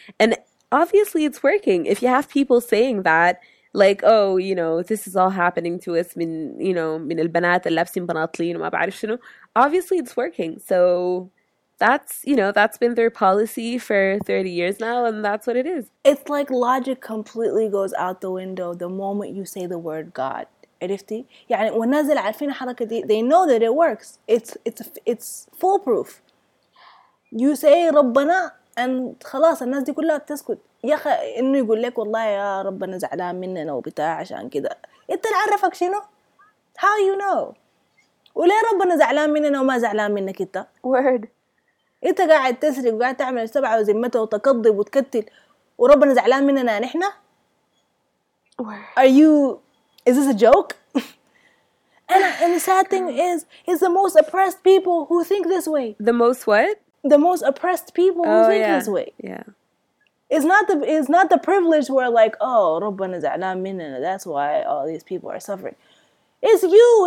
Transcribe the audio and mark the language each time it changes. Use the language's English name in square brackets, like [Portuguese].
[English] And obviously it's working. If you have people saying that, like, oh, you know, this is all happening to us min, you know, min [Arabic] البنات اللابسين بناطلين وما بعرف شنو, [English] obviously it's working. So that's, you know, that's been their policy for 30 years now, and that's what it is. It's like logic completely goes out the window the moment you say the word God. [Arabic] عرفتي؟ يعني والناس اللي عارفين الحركة دي, [English] they know that it works. It's foolproof. You say [Arabic] ربنا, and خلاص الناس دي كلها بتسكت. يا أخي إنه يقول لك والله يا ربنا زعلان مننا وبتاع عشان كده. أنت اللي عرفك شنو؟ [English] How you know? [Arabic] وليه ربنا زعلان مننا وما زعلان منك أنت؟ [English] Word. [Arabic] انت قاعد تسرق وقاعد تعمل السبعة وزمته وتكذب وتكتل وربنا زعلان مننا نحنا. [English] Are you, is this a joke? And the sad thing is, it's the most oppressed people who think this way. The most what? The most oppressed people who think this way. Yeah. It's not the privileged who are like, oh, [Arabic] ربنا زعلان مننا, [English] that's why all these people are suffering. It's you.